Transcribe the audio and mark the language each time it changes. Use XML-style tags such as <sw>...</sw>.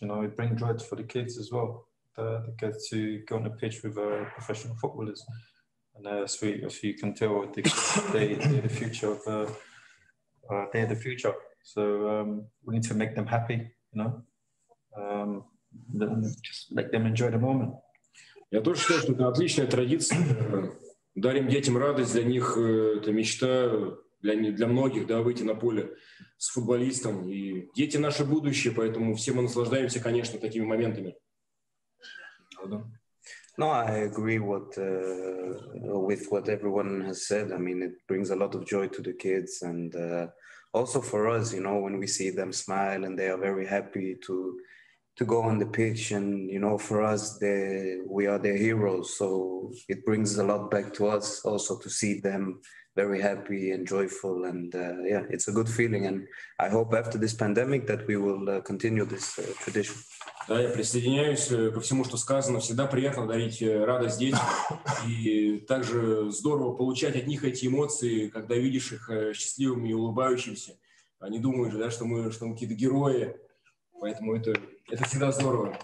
<en>You know, it brings joy for the kids as well. The kids to go on the pitch with professional footballers. And sweet, as you can tell, they're the future. They're the future. So we need to make them happy, you know. Just let them enjoy the moment.</en> <ru>Я тоже считаю, что это отличная традиция. Дарим детям радость, для них это мечта, для многих, да, выйти на поле с футболистом. И дети наше будущее, поэтому все мы наслаждаемся, конечно, такими моментами.</ru> <en>No, I agree what with what everyone has said. I mean, it brings a lot of joy to the kids and also for us, you know, when we see them smile and they are very happy to go on the pitch, and you know, for us, we are their heroes, so it brings a lot back to us also to see them very happy and joyful, and yeah, it's a good feeling, and I hope after this pandemic that we will continue this tradition.</en> <ru>Да, я присоединяюсь ко всему, что сказано. Всегда приятно дарить радость детям, и также здорово получать от них эти эмоции, когда видишь их счастливыми и улыбающимися. Они думают же, да, что мы какие-то герои. Поэтому это всегда здорово.</ru>